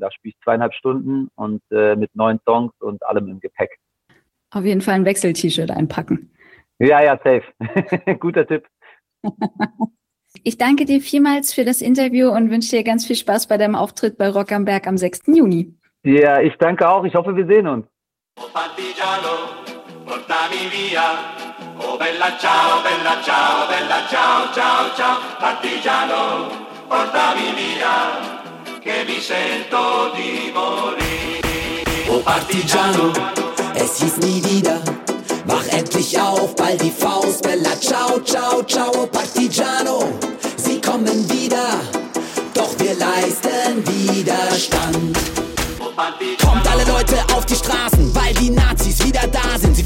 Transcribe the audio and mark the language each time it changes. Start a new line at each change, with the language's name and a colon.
German: Da spiele ich 2,5 Stunden und mit 9 Songs und allem im Gepäck. Auf jeden Fall ein Wechsel-T-Shirt einpacken. Ja, safe. Guter Tipp. Ich danke dir vielmals für das Interview und wünsche dir ganz viel Spaß bei deinem Auftritt bei Rock am Berg am 6. Juni. Ja, ich danke auch. Ich hoffe, wir sehen uns.
Italian: Portami via, oh bella ciao, bella ciao, bella ciao, ciao, ciao, partigiano, portami via, che mi sento di morire. Oh partigiano,
German: es hieß nie wieder, mach endlich auf, ball die Faust,
Italian: bella ciao, ciao, ciao, partigiano,
German: sie kommen wieder, doch wir leisten Widerstand. Kommt alle Leute auf die Straßen, weil die Nazis wieder da sind.